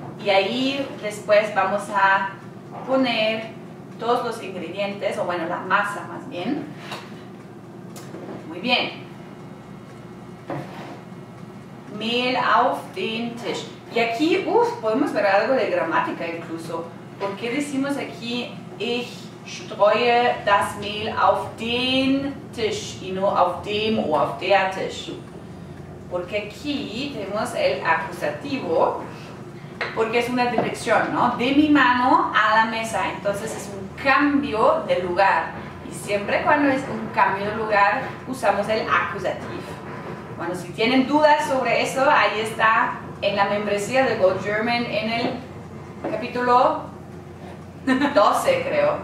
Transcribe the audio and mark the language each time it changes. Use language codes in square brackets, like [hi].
[es] Y ahí después vamos a poner todos los ingredientes, o bueno, la masa más bien. Muy bien. [de] Mehl auf den Tisch. [es] Y aquí, podemos ver algo de gramática incluso. ¿Por qué decimos aquí, [de] ich streue das Mehl auf den Tisch [es] y no [de] auf dem [es] o [de] auf der Tisch? [es] Porque aquí tenemos el acusativo, porque es una dirección, ¿no? De mi mano a la mesa, entonces es un cambio de lugar. Y siempre cuando es un cambio de lugar, usamos el accusative. Bueno, si tienen dudas sobre eso, ahí está en la membresía de Go German en el capítulo 12, creo.